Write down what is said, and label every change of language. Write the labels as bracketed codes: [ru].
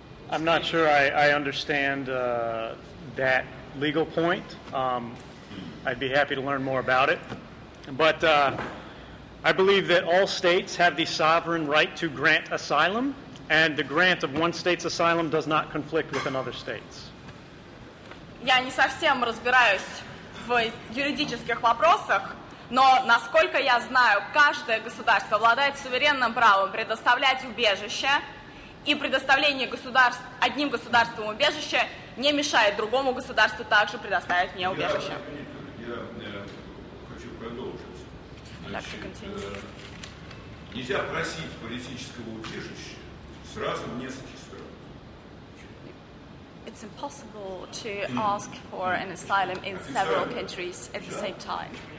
[en] I'm not sure I understand that legal point. I'd be happy to learn more about it. But I believe that all states have the sovereign right to grant asylum, and the grant of one state's asylum does not conflict with another state's. [ru] Я не совсем разбираюсь в юридических вопросах, но, насколько я знаю, каждое государство обладает суверенным правом предоставлять убежище, и предоставление государств, одним государством убежища не мешает другому государству также предоставить мне убежище. Я хочу продолжить. Нельзя просить политического убежища сразу в нескольких странах. [en] It's impossible to ask for an asylum in several countries at the same time.